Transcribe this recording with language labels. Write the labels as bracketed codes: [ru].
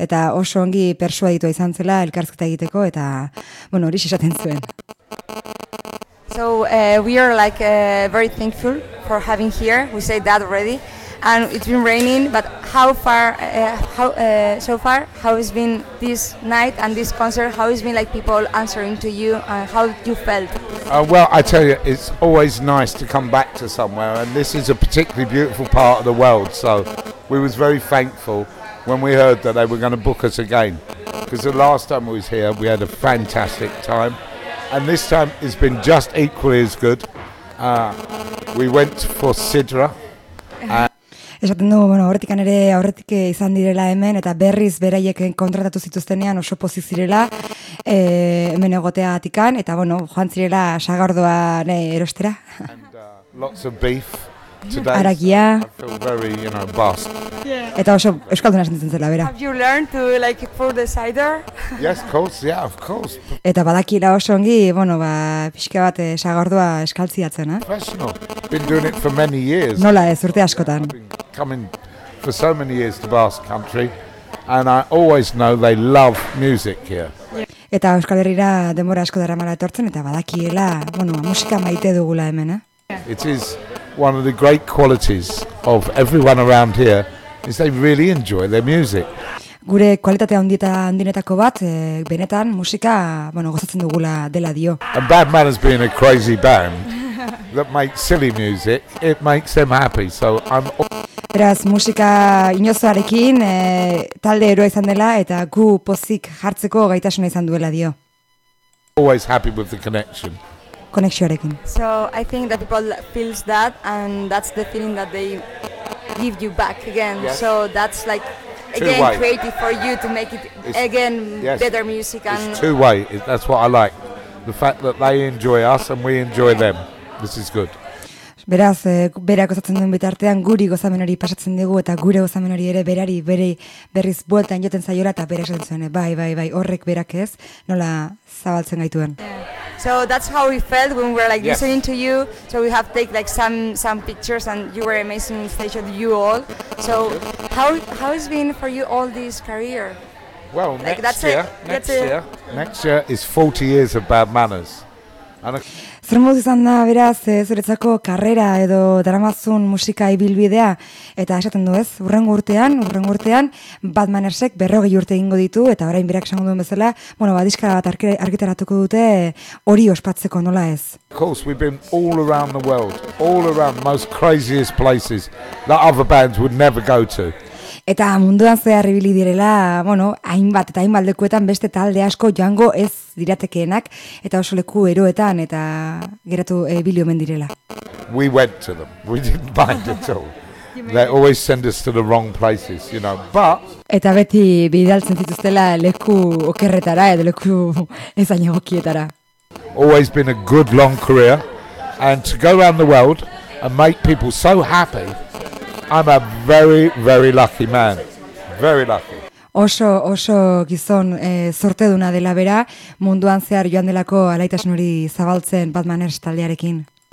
[eu] Eta oso ongi persuaditua izan zela elkarrizketa egiteko, eta, bueno, hori esaten zuen. [en] So we are like very thankful for having here. We said that already, and it's been raining. But how far? So far? How has been this night and this concert? How has been like people answering to you? How you felt? Well, I tell you, it's always nice to come back to somewhere, and this is a particularly beautiful part of the world. So we was very thankful when we heard that they were going to book us again, because the last time we was here, we had a fantastic time. And this time it's been just equally as good. We went for Sidra. [eu] Esaten du, bueno, horretik ere horretik izan direla hemen, eta berriz beraiek kontratatu zituztenean oso pozik zirela hemen egoteagatikan, eta bueno, joan zirela sagardoan erostera. [en] Lots of beef. Today, [eu] Aragia. [en] I feel very, you know, bust. [eu] Eta oso euskalduna sentitzen zela bera. [en] Have you learned to like pour the cider? Yes, of course, yeah, of course. Eta badakila oso ongi, bueno, ba, pixka bat sagardua eskaltziatzen, eh? Professional. Been doing it for many years. [eu] Nola ez, urte askotan. [en] I've been coming for so many years to Basque Country, and I always know they love music here. [eu] Eta Euskal Herrira denbora asko daramala etortzen, eta badakila, bueno, musika maite dugula hemen, eh? [en] It is one of the great qualities of everyone around here is they really enjoy their music. [eu] Gure kualitate handienetako bat, benetan musika, bueno, gozatzen dugula dela dio. [en] And Bad Manners being a crazy band that makes silly music, it makes them happy. So I'm [eu] Beraz, musika inozoarekin talde eroa izan dela eta gu pozik jartzeko gaitasuna izan duela dio. [en] Always happy with the connection. [eu] Konexioarekin. [en] So I think that people feels that, and that's the feeling that they give you back again. Yes. So that's like two again way. Creative for you to make it it's, again yes. Better music. And it's two way. That's what I like. The fact that they enjoy us and we enjoy yeah. them. This is good. [eu] Beraz, bera gozatzen duen bitartean guri gozamen hori pasatzen dugu eta gure gozamen hori ere berari berriz bueltan joten zaiola eta bera esaten zuen, bai, horrek berak ez, nola zabaltzen gaituen. [en] So that's how we felt when we were like listening to you. So we have take like some pictures and you were amazing on stage with you all. So how has been for you all this career? Well, like, next year is 40 years of Bad Manners. [eu] Zer moduz izan da, beraz, zuretzako karrera edo daramazun musika ibilbidea, eta esaten du ez, urrengo urtean, Bad Mannersek 40 urte egingo ditu, eta orain berak esango duen bezala, bueno, badiska bat argitaratuko dute hori ospatzeko nola ez. [en] Of course, we've been all around the world, all around the most craziest places that other bands would never go to. Eta munduan zehar ibili direla, bueno, hainbat eta hainbat lekuetan beste talde asko joango ez diratekeenak eta oso leku eroetan eta geratu ibili omen direla. We went to them. We didn't mind at all. They always send us to the wrong places, you know. But [eu] eta beti bidaltzen zituztela leku okerretara edo leku ezain egokietara. [en] Always been a good long career and to go around the world and make people so happy. I'm a very, very lucky man. Very lucky. [eu] Oso gizon zorteduna dela bera, munduan zehar joan delako alaitasun hori zabaltzen Bad Manners taldearekin.